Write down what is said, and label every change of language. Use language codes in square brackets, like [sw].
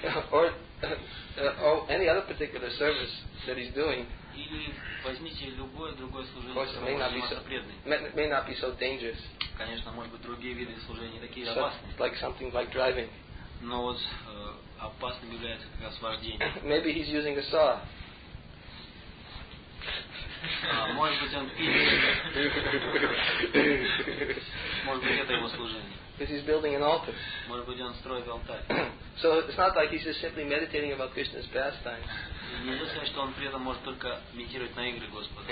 [en] Or any other particular service that he's doing. [ru] Или возьмите любое другое служение, которое занимается преданный. [en] May not be so dangerous. [ru] Конечно, может быть, другие виды служения не такие so, опасные. [en] Like something like driving. [ru] Но вот опасным является как раз вождение. [en] Maybe he's using a saw. [ru] Может быть, он пилит. Может быть, это его служение. [en] Because he's building an altar. [ru] Может быть, он строит алтарь. [en] So it's not like he's just simply meditating about Krishna's pastimes. [ru] Нельзя сказать, что он при этом может только медитировать на игры Господа.